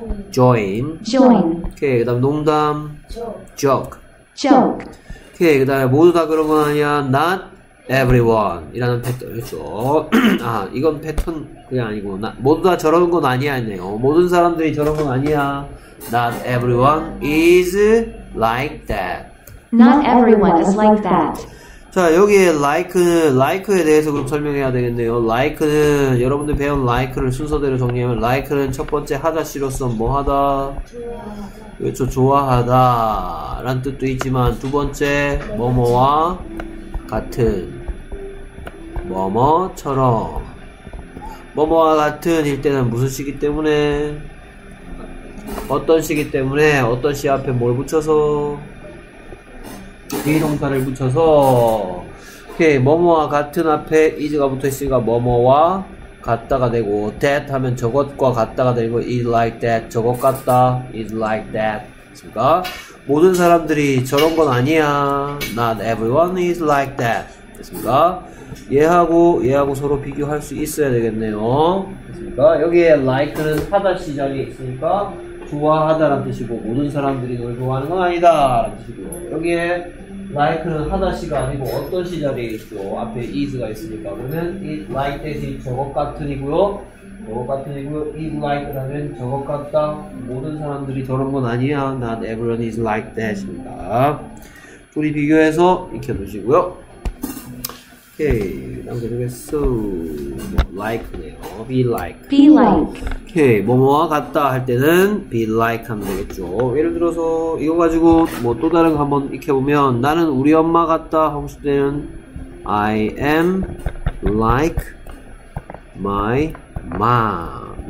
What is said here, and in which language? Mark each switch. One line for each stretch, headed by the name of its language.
English: join. join.
Korean: 오케이. 그 다음 농담.
English: joke. joke.
Korean: 오케이. 그 다음에 모두 다 그런 건 아니야.
English: not everyone
Korean: 이라는 패턴. 그렇죠. 아, 이건 패턴 그냥 아니고 나, 모두 다 저런 건 아니야 했네요. 모든 사람들이 저런 건 아니야.
English: Not everyone is like that. Not everyone is like that.
Korean: 자, 여기에 like에 대해서 그럼 설명해야 되겠네요. like는 여러분들 배운 like를 순서대로 정리하면 like는 첫 번째 하다 시로서 뭐 하다? 그렇죠. 좋아하다 라는 뜻도 있지만 두 번째 뭐뭐와 같은 뭐뭐처럼 뭐뭐와 같은 일 때는 무슨 시기 때문에 어떤 시기 때문에 어떤 시 앞에 뭘 붙여서 비동사를 붙여서 오케이 뭐뭐와 같은 앞에 is가 붙어있으니까 뭐뭐와 같다가 되고 that 하면 저것과 같다가 되고
English: is like that
Korean: 저것 같다 is like that 그러니까 모든 사람들이 저런 건 아니야.
English: Not everyone is like that.
Korean: 됐습니까? 얘하고 서로 비교할 수 있어야 되겠네요. 됐습니까? 여기에 like는 하다 시작이 있으니까 좋아하다라는 뜻이고 모든 사람들이 널 좋아하는 건 아니다 라는 뜻이고 여기에 like는 하다 시가 아니고 어떤 시자리에 있고 앞에 is가 있으니까 그러면
English: it like that
Korean: 이 저것 같으니고요. 저것 같으니고요.
English: is like
Korean: 라면 저것 같다. 모든 사람들이 저런 건 아니야.
English: Not everyone is like that입니다.
Korean: 둘이 비교해서 익혀두시고요. 오케이. 다음 계속했어. 뭐, like네요.
English: be like. be like.
Korean: 오케이. 뭐뭐와 같다 할 때는
English: be like
Korean: 하면 되겠죠. 예를 들어서 이거 가지고 뭐 또 다른 거 한번 익혀보면 나는 우리 엄마 같다 하고 싶을 때는
English: I am like my mom.